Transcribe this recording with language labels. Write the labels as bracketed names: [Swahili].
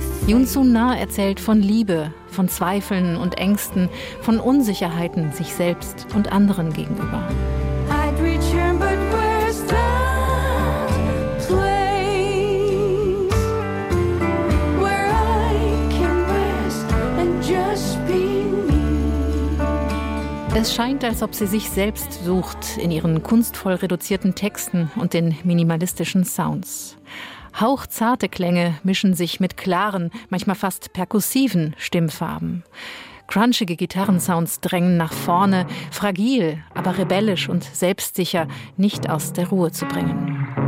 [German] Yun Sun Na erzählt von Liebe, von Zweifeln und Ängsten, von Unsicherheiten sich selbst und anderen gegenüber. [English] I'd return, but where's that place where I can rest and just be me? [German] Es scheint, als ob sie sich selbst sucht in ihren kunstvoll reduzierten Texten und den minimalistischen Sounds. Hauchzarte Klänge mischen sich mit klaren, manchmal fast perkussiven Stimmfarben. Crunchige Gitarrensounds drängen nach vorne, fragil, aber rebellisch und selbstsicher, nicht aus der Ruhe zu bringen.